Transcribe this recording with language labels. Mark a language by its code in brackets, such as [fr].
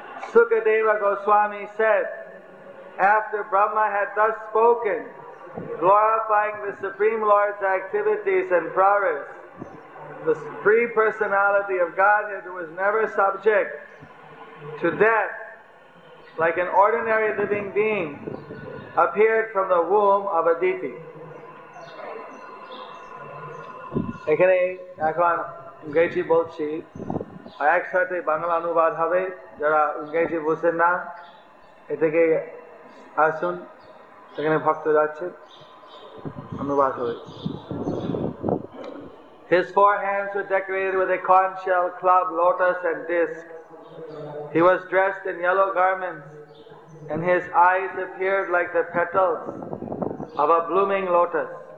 [en] Sukadeva Goswami said, after Brahma had thus spoken, glorifying the Supreme Lord's activities and prowess, the Three Personality of Godhead, who was never subject to death, like an ordinary living being, appeared from the womb of Aditi. [bn] এখানে এখন ইংরেজি বলছি আর একসাথে বাংলা অনুবাদ হবে, যারা ইংরেজি বুঝছেন না এ থেকে আসুন, এখানে ভক্ত যাচ্ছে অনুবাদ হবে। [en] His four hands were decorated with a conch shell, club, lotus and disc. He was dressed in yellow garments and his eyes appeared like the petals of a blooming lotus.